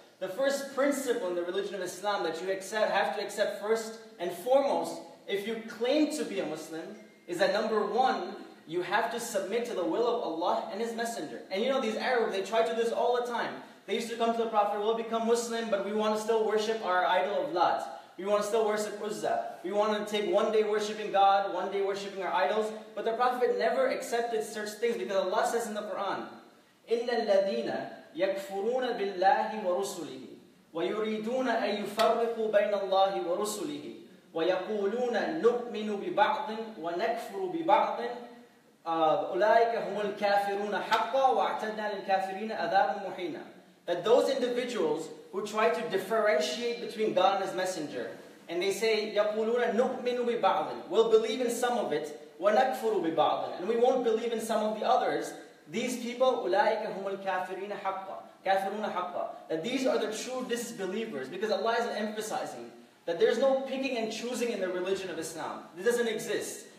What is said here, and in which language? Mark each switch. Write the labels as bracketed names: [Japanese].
[English] The first principle in the religion of Islam that you accept, have to accept first and foremost, if you claim to be a Muslim, is that number one, you have to submit to the will of Allah and His Messenger. And you know, these Arabs, they try to do this all the time. They used to come to the Prophet, we'll become Muslim, but we want to still worship our idol of Lot. We want to still worship Uzza. We want to take one day worshiping God, one day worshiping our idols. But the Prophet never accepted such things because Allah says in the Quran, [Arabic] إِنَّ الَّذِينَ يَكْفُرُونَ بِاللَّهِ وَرُسُلِهِ وَيُرِيدُونَ أَن يُفَرِّقُوا بَيْنَ اللَّهِ وَرُسُلِهِ وَيَقُولُونَ نُؤْمِنُ بِبَعْضٍ وَنَكْفُرُ بِبَعْضٍ أُولَٰئِكَ هُمُ الْكَافِرُونَ حَقًّا وَأَعْتَدْنَا لِلْكَافِرِينَ عَذَابًا مُهِينًا. [English] That those individuals who try to differentiate between God and His Messenger, and they say, [Arabic] يَقُولُونَ نُؤْمِنُ بِبَعْضٍ, [English] we'll believe in some of it, [Arabic] وَنَكْفُرُ بِبَعْضٍ, [English] and we won't believe in some of the others, these people, [Arabic] أُولَٰئِكَ هُمُ الْكَافِرِينَ حَقًّا, كَافِرُونَ حَقًّا, [English] that these are the true disbelievers, because Allah is emphasizing that there's no picking and choosing in the religion of Islam. This doesn't exist.